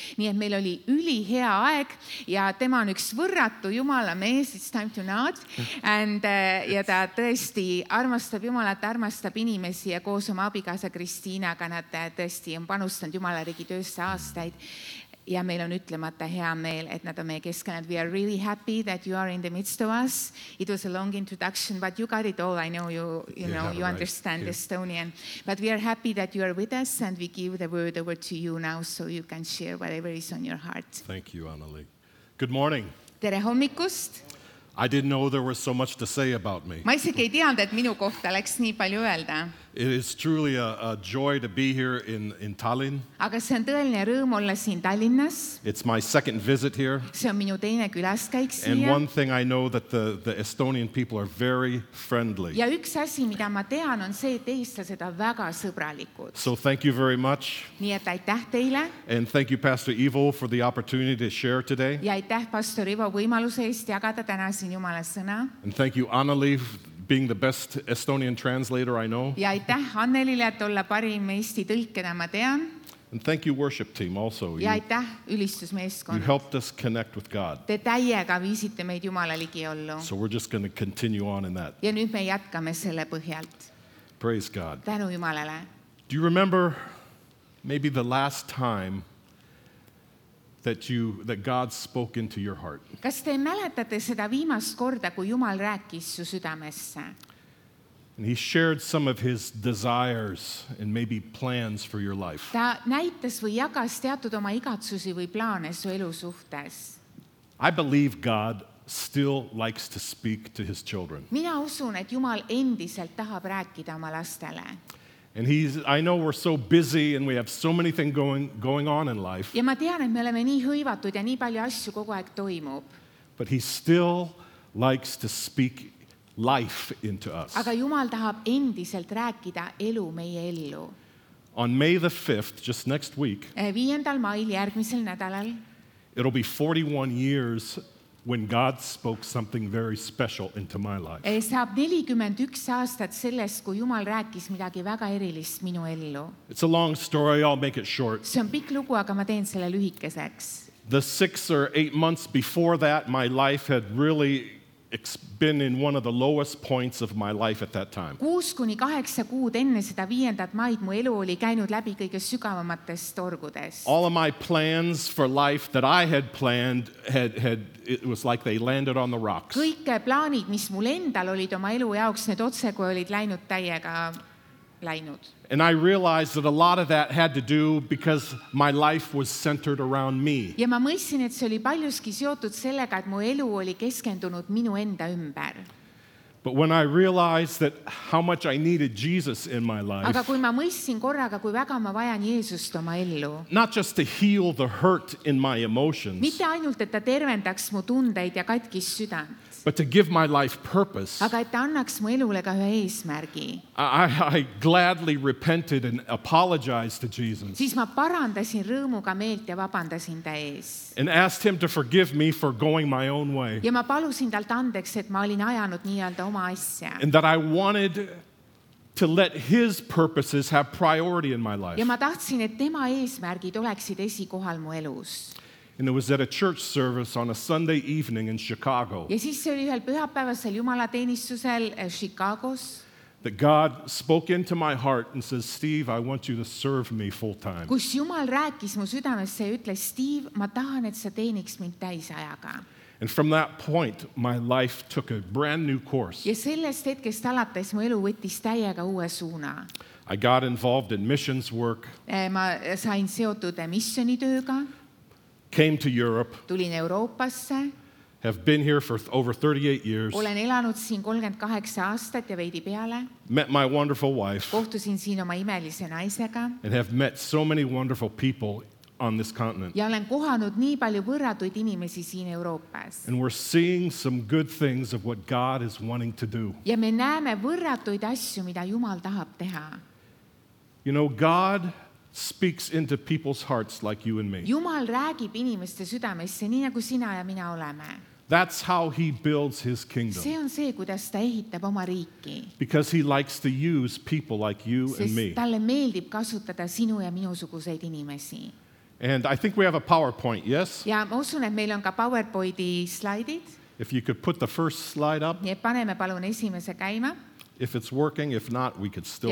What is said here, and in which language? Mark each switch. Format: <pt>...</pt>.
<et>Nii et meil oli üli hea aeg ja tema on üks võrratu Jumala mees,</et> <en>it's time to nod.</en> <et>Ja ta tõesti armastab Jumalat, armastab inimesi ja koos oma abikaasa Kristiinaga nad tõesti on panustanud Jumala riigi töösse aastaid. Ja meil on ütlemata hea meel, et nad on meie keskenud.</et> <en>We are really happy that you are in the midst of us. It was a long introduction, but you got it all. I know you understand Estonian. But we are happy that you are with us and we give the word over to you now so you can share whatever is on your heart. Thank you, Anneli. Good morning.</en> <et>Tere hommikust.</et> <en>I didn't know there was so much to say about me.</en> <et>Ma isegi ei teanud, et minu kohta läks nii palju öelda.</et> <en>It is truly a joy to be here in Tallinn.</en> <et>Aga see on tõeline rõõm olla siin Tallinnas.</et> <en>It's my second visit here.</en> <et>See on minu teine külaskäik siia.</et> <en>And one thing I know that the Estonian people are very friendly.</en> <et>Ja üks asi, mida ma tean, on see, et eestlased on väga sõbralikud.</et> <en>So thank you very much.</en> <et>Nii et aitäh teile.</et> <en>And thank you, Pastor Ivo, for the opportunity to share today.</en> <et>Ja aitäh, Pastor Ivo, võimaluse eest jagada täna siin Jumala sõna.</et> <en>And thank you, Anneli, being the best Estonian translator I know.</en> <et>Ja aitäh Annelile, et olla parim Eesti tõlkena, ma tean.</et> <en>And thank you, worship team, also.</en> <et>Ja aitäh ülistusmeeskond.</et> <en>You helped us connect with God.</en> <et>Te täiega viisite meid Jumala ligi ollu.</et> <en>So we're just going to continue on in that.</en> <et>Ja nüüd me jätkame selle põhjalt.</et> <en>Praise God.</en> <et>Tänu Jumalale.</et> <en>Do you remember maybe the last time that God spoke into your heart?</en> <et>Kas te mäletate seda viimast korda, kui Jumal rääkis su südamesse?</et> <en>And he shared some of his desires and maybe plans for your life.</en> <et>Ta näitas või jagas teatud oma igatsusi või plaane su elu suhtes.</et> <en>I believe God still likes to speak to his children.</en> <et>Mina usun, et Jumal endiselt tahab rääkida oma lastele.</et> <en>And I know we're so busy and we have so many things going on in life.</en> <et>Ja ma tean, et me oleme nii hõivatud ja nii palju asju kogu aeg toimub.</et> <en>But he still likes to speak life into us.</en> <et>Aga Jumal tahab endiselt rääkida elu meie ellu.</et> <en>On May the 5th, just next week,</en> <et>5. mail järgmisel nädalal,</et> <en>it'll be 41 years when God spoke something very special into my life.</en> <et>Ei saab 41 aastat sellest, kui Jumal rääkis midagi väga erilist minu ellu.</et> <en>It's a long story, I'll make it short.</en> <et>See on pikk lugu, aga ma teen selle lühikeseks.</et> <en>The 6 or 8 months before that, my life had really been in one of the lowest points of my life at that time.</en> <et>6 to 8 kuud enne seda 5. maid mu elu oli käinud läbi kõige sügavamatest torgudest.</et> <en>All of my plans for life that I had planned had it was like they landed on the rocks.</en> <et>Kõik plaanid, mis mul endal olid oma elu jaoks, need otsekui olid läinud täiega läinud.</et> <en>And I realized that a lot of that had to do because my life was centered around me.</en> <et>Ja ma mõtlesin, et see oli paljuski seotud sellega, et mu elu oli keskendunud minu enda ümber.</et> <en>But when I realized that how much I needed Jesus in my life.</en> <et>Aga kui ma mõtlesin korraga, kui väga ma vajan Jeesust oma ellu.</et> <en>Not just to heal the hurt in my emotions.</en> <et>Mitte ainult, et ta tervendaks mu tundeid ja katkis südant.</et> <en>But to give my life purpose.</en> <et>Aga et annaks mu elule ka ühe eesmärgi.</et> <en>I gladly repented and apologized to Jesus.</en> <et>Siis ma parandasin rõõmuga meelt ja vabandasin ta ees.</et> <en>And asked him to forgive me for going my own way.</en> <et>Ja ma palusin talt andeks, et ma olin ajanud nii-öelda oma asja.</et> <en>And that I wanted to let his purposes have priority in my life.</en> <et>Ja ma tahtsin, et tema eesmärgid oleksid esikohal mu elus.</et> <en>And it was at a church service on a Sunday evening in Chicago.</en> <et>Ja siis oli ühel pühapäevasel jumalateenistusel Chicagos.</et> <en>That God spoke into my heart and says, Steve, I want you to serve me full time.</en> <et>Kus Jumal rääkis mu südamesse ja ütles, Steve, ma tahan, et sa teeniks mind täisajaga.</et> <en>And from that point, my life took a brand new course.</en> <et>Ja sellest hetkest alates mu elu võttis täiega uue suuna.</et> <en>I got involved in missions work.</en> <et>Ma sain seotud missioni tööga.</et> <en>Came to Europe.</en> <et>Tulin Euroopasse.</et> <en>Have been here for over 38 years.</en> <et>Olen elanud siin 38 aastat ja veidi peale.</et> <en>Met my wonderful wife.</en> <et>Kohtusin siin oma imelise naisega.</et> <en>And have met so many wonderful people on this continent.</en> <et>Ja olen kohanud nii palju võrratuid inimesi siin Euroopas.</et> <en>And we're seeing some good things of what God is wanting to do.</en> <et>Ja me näeme võrratuid asju, mida Jumal tahab teha.</et> <en>You know, God speaks into people's hearts like you and me.</en> <et>Jumal räägib inimeste südamesse nii nagu sina ja mina oleme.</et> <en>That's how he builds his kingdom.</en> <et>See on see, kuidas ta ehitab oma riiki.</et> <en>Because he likes to use people like you and me.</en> <et>Sest talle meeldib kasutada sinu ja minusuguseid inimesi.</et> <en>And I think we have a PowerPoint, yes?</en> <et>Ja ma usun, et meil on ka PowerPointi slaidid.</et> <en>If you could put the first slide up.</en> <et>Ja paneme palun esimese käima.</et> <en>If it's working, if not, we could still</en>